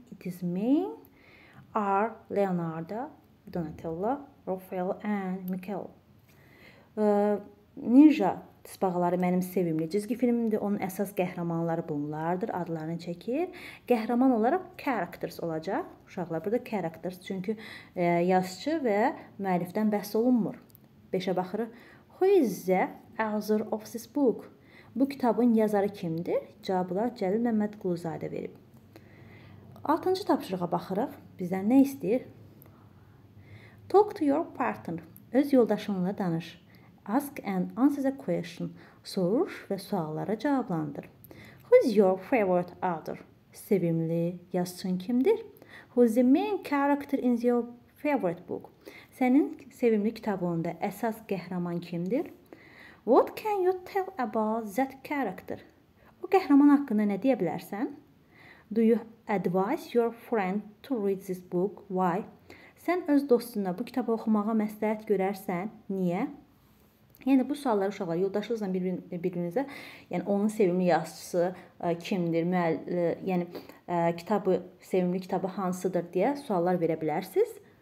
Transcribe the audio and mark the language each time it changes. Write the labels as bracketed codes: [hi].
[en] It is main are Leonardo, Donatello, Raphael and Michael. [az] Ninja tısbağaları mənim sevimli cizgi filmimdir. Onun əsas qəhrəmanları bunlardır. Adlarını çəkir. Qəhrəman olaraq characters olacaq. Uşaqlar burada characters. Çünki yazıcı və müəllifdən bəhs olunmur. 5-ə baxırı. [en] Who is the author of this book? [az] Bu kitabın yazarı kimdir? Cavablar Cəlil Məmməd Quluzadə verib. 6-cı tapşırığa baxırıq. Bizdən nə istəyir? [en] Talk to your partner. [az] Öz yoldaşınla danış. [en] Ask and answer the question. [az] Soruş və sualları cavablandır. [en] Who is your favorite author? [az] Sevimli yazıçın kimdir? [en] Who is the main character in your favorite book? [az] Sənin sevimli kitabında əsas qəhrəman kimdir? [en] What can you tell about that character? [az] O qəhrəman haqqında nə deyə bilərsən? [en] Do you advise your friend to read this book? Why? [az] Sən öz dostuna bu kitabı oxumağa məsləhət görərsən, niyə? Yəni bu sualları uşaqlar yoldaşlıqla bir-birinizə, yəni onun sevimli yazıçısı kimdir, yəni kitabı, sevimli kitabı hansıdır deyə suallar verə bilərsiniz.